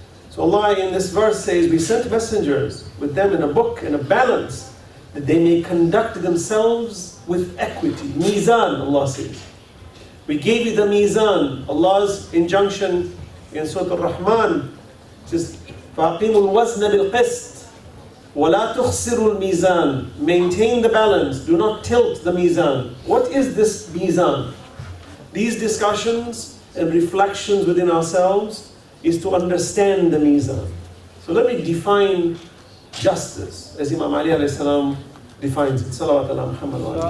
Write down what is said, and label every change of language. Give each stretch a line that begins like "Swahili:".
English: So Allah in this verse says, we sent messengers with them in a book and a balance, that they may conduct themselves with equity. Mizan, Allah says. We gave you the mizan, Allah's injunction in Surah Al-Rahman. Just
Arabic: فَأَقِيمُ الْوَزْنَ بِالْقِسْطِ وَلَا تُخْسِرُ الْمِيزَانِ.
English: Maintain the balance, do not tilt the mizan. What is this mizan? These discussions and reflections within ourselves is to understand the mizan. So let me define justice, as Imam Ali alayhi salam defines it. Salawat ala Muhammad.